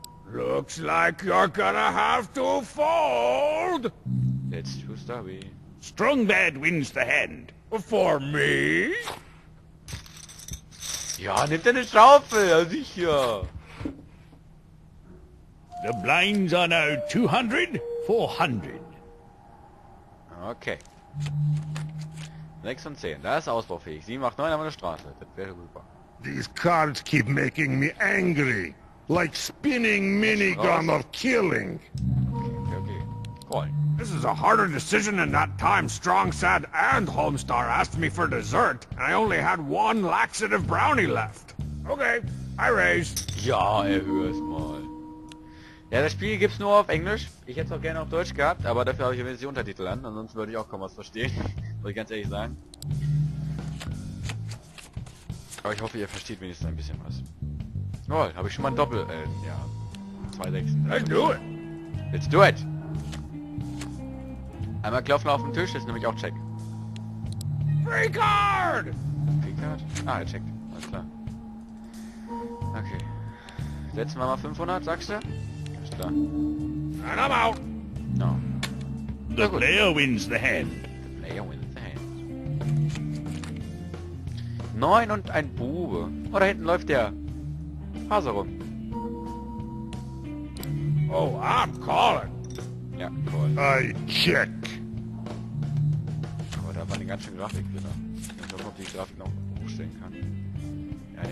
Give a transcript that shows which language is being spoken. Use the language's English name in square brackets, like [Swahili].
[English] Looks like you're gonna have to fold! That's too stubby. Strong bad wins the hand. For me? [German] Ja, nimm deine Schaufel, ja sicher. [English] The blinds are now 200, 400. [German] Okay. 6 und 10, da ist ausbaufähig. 7 macht 9, haben wir eine Straße. Das wäre super. [English] These cards keep making me angry. Like spinning minigun or killing. Okay. Cool. This is a harder decision than that time Strong Sad and Homestar asked me for dessert, and I only had one laxative brownie left. Okay, I raise. [German] Ja, erhör's mal. Ja, das Spiel gibt's nur auf Englisch. Ich hätte es auch gerne auf Deutsch gehabt, aber dafür habe ich wenigstens die Untertitel an, ansonsten würde ich auch kaum was verstehen. Muss ich ganz ehrlich sagen. Aber ich hoffe, ihr versteht wenigstens ein bisschen was. Oh, habe ich schon mal ein Doppel, ja. 2 Sechsen. [English] Let's do it! Let's do it! [German] Einmal klopfen auf dem Tisch, das ist nämlich auch Check. [English] Free card! [German] Free card? Ah, er checkt. Alles klar. Okay. Setzen wir mal 500, sagst du? Alles klar. [English] And I'm out! No. The player wins the hand. The player wins the hand. [German] 9 und ein Bube. Oh, da hinten läuft der Hase rum. [English] Oh, I'm calling. [German] Ja, cool. [English] I check. [German] Mal den ganzen Grafik wieder. Ich weiß nicht, ob die Grafik noch hochstellen kann.